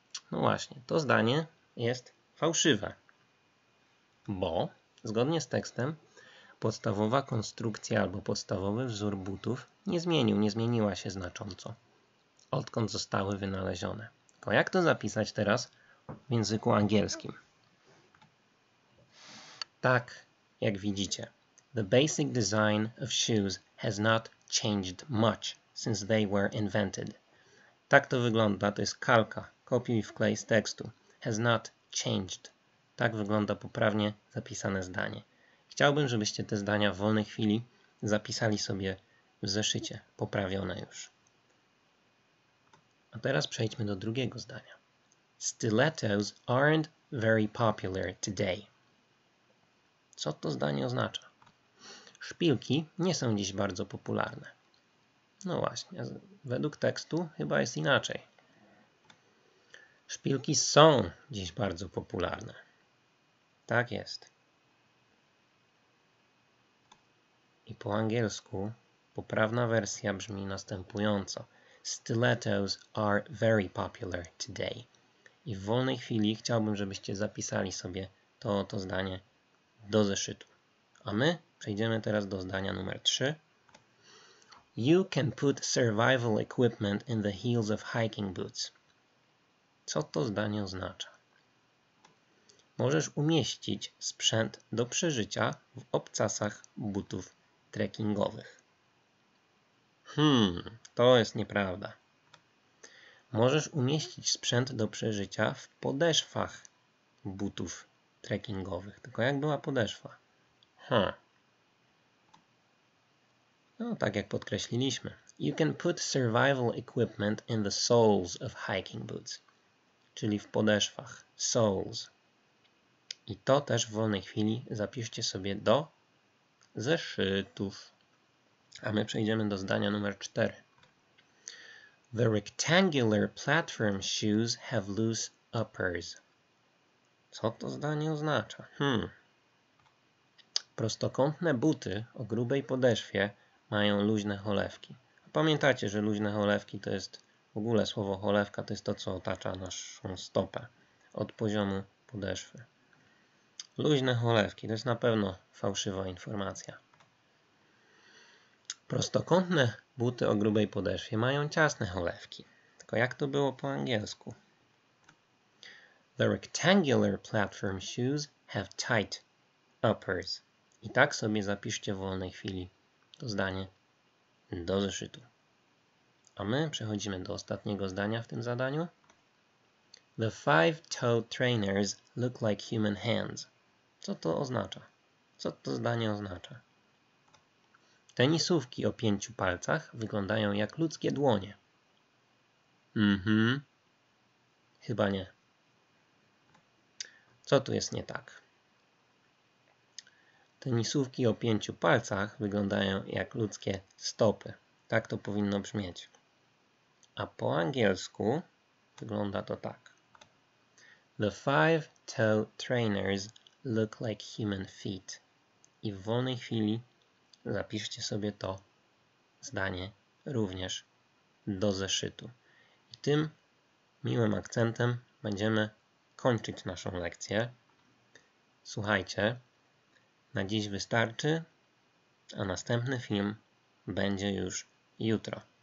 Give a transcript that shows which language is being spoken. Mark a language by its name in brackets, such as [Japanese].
[Polish] No właśnie, to zdanie jest fałszywe, bo zgodnie z tekstem podstawowa konstrukcja albo podstawowy wzór butów nie zmienił, nie zmieniła się znacząco, odkąd zostały wynalezione. To jak to zapisać teraz w języku angielskim? Tak, jak widzicie. [English] The basic design of shoes has not changed much since they were invented. [Polish] Tak to wygląda, to jest kalka, kopiuj i wklej z tekstu. [English] Has not changed. [Polish] Tak wygląda poprawnie zapisane zdanie. Chciałbym, żebyście te zdania w wolnej chwili zapisali sobie w zeszycie, poprawione już. A teraz przejdźmy do drugiego zdania. [English] Stilettos aren't very popular today. [Polish] Co to zdanie oznacza? Szpilki nie są dziś bardzo popularne. No właśnie, według tekstu chyba jest inaczej. Szpilki są dziś bardzo popularne. Tak jest. I po angielsku poprawna wersja brzmi następująco. [English] Stilettos are very popular today. [Polish] I w wolnej chwili chciałbym, żebyście zapisali sobie to zdanie do zeszytu. A my przejdziemy teraz do zdania numer 3. [English] You can put survival equipment in the heels of hiking boots. [Polish] Co to zdanie oznacza? Możesz umieścić sprzęt do przeżycia w obcasach butów trekkingowych. To jest nieprawda. Możesz umieścić sprzęt do przeżycia w podeszwach butów trekkingowych. Tylko jak była podeszwa? No, tak jak podkreśliliśmy. [English] You can put survival equipment in the soles of hiking boots. [Polish] Czyli w podeszwach. Soles. I to też w wolnej chwili zapiszcie sobie do zeszytów. A my przejdziemy do zdania numer 4. [English] The rectangular platform shoes have loose uppers. [Polish] Co to zdanie oznacza? Prostokątne buty o grubej podeszwie mają luźne cholewki. Pamiętacie, że luźne cholewki to jest, w ogóle słowo cholewka to jest to, co otacza naszą stopę od poziomu podeszwy. Luźne cholewki, to jest na pewno fałszywa informacja. Prostokątne buty o grubej podeszwie mają ciasne cholewki. Tylko jak to było po angielsku? [English] The rectangular platform shoes have tight uppers. [Polish] I tak sobie zapiszcie w wolnej chwili to zdanie do zeszytu. A my przechodzimy do ostatniego zdania w tym zadaniu. [English] The five-toed trainers look like human hands. [Polish] Co to oznacza? Co to zdanie oznacza? Tenisówki o pięciu palcach wyglądają jak ludzkie dłonie. Chyba nie. Co tu jest nie tak? Tenisówki o pięciu palcach wyglądają jak ludzkie stopy. Tak to powinno brzmieć. A po angielsku wygląda to tak. [English] The five-toed trainers look like human feet. [Polish] I w wolnej chwili zapiszcie sobie to zdanie również do zeszytu. I tym miłym akcentem będziemy kończyć naszą lekcję. Słuchajcie, na dziś wystarczy, a następny film będzie już jutro.